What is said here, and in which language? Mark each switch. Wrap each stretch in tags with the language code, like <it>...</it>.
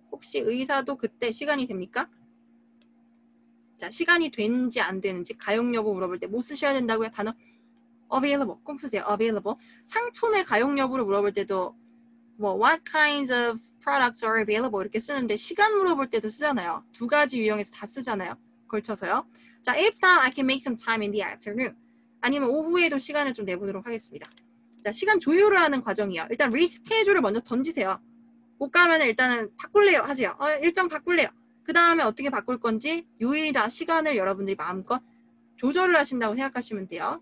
<ko>혹시 의사도 그때 시간이 됩니까? 자, 시간이 되는지 안 되는지 가용 여부 물어볼 때 뭐 쓰셔야 된다고요? 단어 available 꼭 쓰세요. Available. 상품의 가용 여부를 물어볼 때도 뭐</ko> <en>what kinds of products are available</en> <ko>이렇게 쓰는데 시간 물어볼 때도 쓰잖아요. 두 가지 유형에서 다 쓰잖아요. 걸쳐서요.</ko> <en>자, if not, I can make some time in the afternoon.</en> <ko>아니면 오후에도 시간을 좀 내보도록 하겠습니다. 자, 시간 조율을 하는 과정이요. 일단 리스케줄을 먼저 던지세요. 못 가면 일단은 바꿀래요 하세요. 일정 바꿀래요. 그 다음에 어떻게 바꿀 건지 요일이나 시간을 여러분들이 마음껏 조절을 하신다고 생각하시면 돼요.</ko>